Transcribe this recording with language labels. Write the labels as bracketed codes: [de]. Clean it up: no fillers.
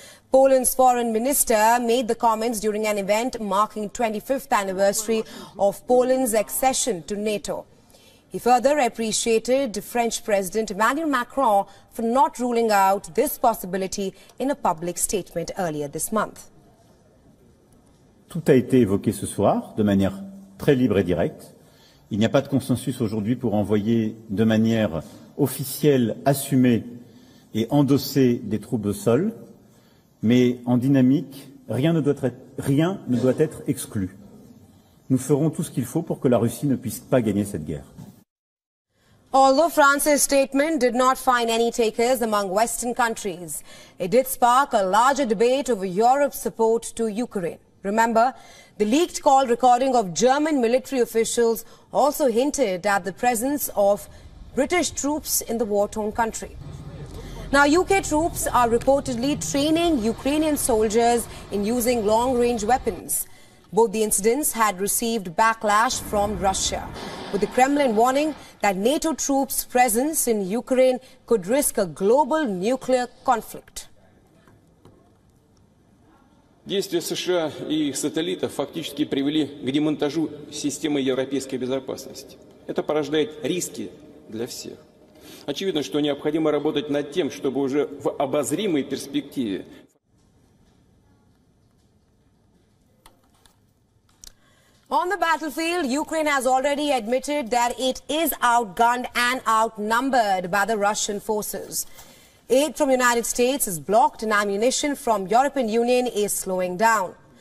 [en] Poland's foreign minister made the comments during an event marking 25th anniversary of Poland's accession to NATO. He further appreciated French President Emmanuel Macron for not ruling out this possibility in a public statement earlier this month. [fr] Tout a été évoqué ce soir de manière très libre et directe. Il n'y a pas de consensus aujourd'hui pour envoyer de manière officielle, assumée et endossée des troupes au sol, mais en dynamique, rien ne doit être exclu. Nous ferons tout ce qu'il faut pour que la Russie ne puisse pas gagner cette guerre. [en] Although France's statement did not find any takers among Western countries, it did spark a larger debate over Europe's support to Ukraine. Remember, the leaked call recording of German military officials also hinted at the presence of British troops in the war-torn country. Now, UK troops are reportedly training Ukrainian soldiers in using long-range weapons. Both the incidents had received backlash from Russia, with the Kremlin warning that NATO troops' presence in Ukraine could risk a global nuclear conflict. [ru] Действия США и их сателлитов фактически привели к демонтажу системы европейской безопасности. Это порождает риски для всех. Очевидно, что необходимо работать над тем, чтобы уже в обозримой перспективе. [en] On the battlefield, Ukraine has already admitted that it is outgunned and outnumbered by the Russian forces. Aid from the United States is blocked and ammunition from European Union is slowing down.